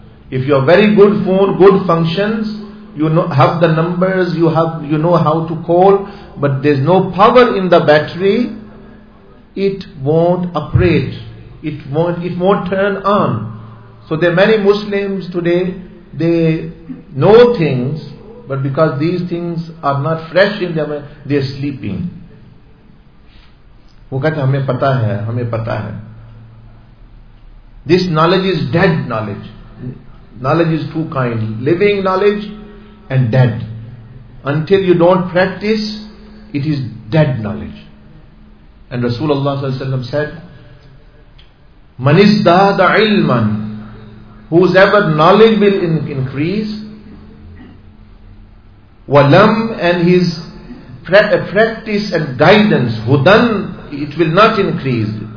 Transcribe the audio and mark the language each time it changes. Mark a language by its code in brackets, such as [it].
[en] If you have very good phone, good functions, you know, have the numbers, you know how to call, but there's no power in the battery, it won't operate. It won't turn on. So there are many Muslims today, they know things, but because these things are not fresh in their mind, they are sleeping. [hi] वो कहते हमें पता है, हमें पता है. [en] This knowledge is dead knowledge. Knowledge is two kinds, living knowledge and dead. Until you don't practice, it is dead knowledge. And Rasulullah sallallahu alaihi wasallam said, "Man izdada ilman, whose ever knowledge will increase, walam, and his practice and guidance, hudan, it will not increase.